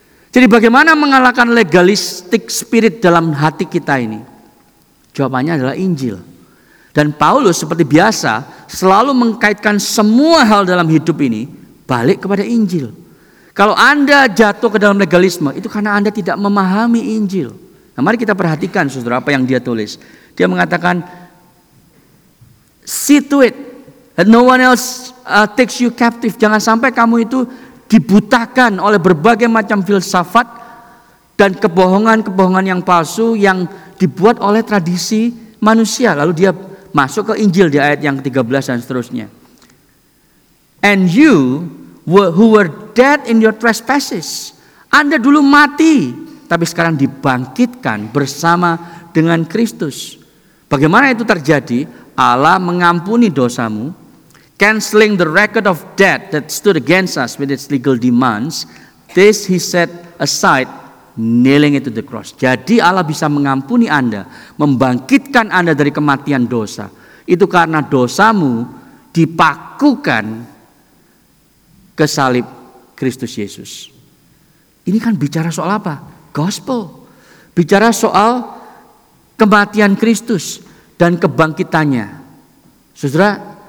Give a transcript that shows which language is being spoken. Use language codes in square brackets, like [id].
[id] Jadi bagaimana mengalahkan legalistik spirit dalam hati kita ini? Jawabannya adalah Injil. Dan Paulus seperti biasa selalu mengkaitkan semua hal dalam hidup ini balik kepada Injil. Kalau Anda jatuh ke dalam legalisme, itu karena Anda tidak memahami Injil. Nah, mari kita perhatikan saudara apa yang dia tulis. Dia mengatakan, [en] see to it that no one else takes you captive. [id] Jangan sampai kamu itu dibutakan oleh berbagai macam filsafat dan kebohongan-kebohongan yang palsu yang dibuat oleh tradisi manusia. Lalu dia masuk ke Injil di ayat yang ke-13 dan seterusnya. [en] And you who were dead in your trespasses. [id] Anda dulu mati, tapi sekarang dibangkitkan bersama dengan Kristus. Bagaimana itu terjadi? Allah mengampuni dosamu, [en] canceling the record of debt that stood against us with its legal demands, this he set aside, nailing it to the cross. [id] Jadi Allah bisa mengampuni Anda, membangkitkan Anda dari kematian dosa. Itu karena dosamu dipakukan ke salib Kristus Yesus. Ini kan bicara soal apa? Gospel. Bicara soal kematian Kristus dan kebangkitannya. Saudara,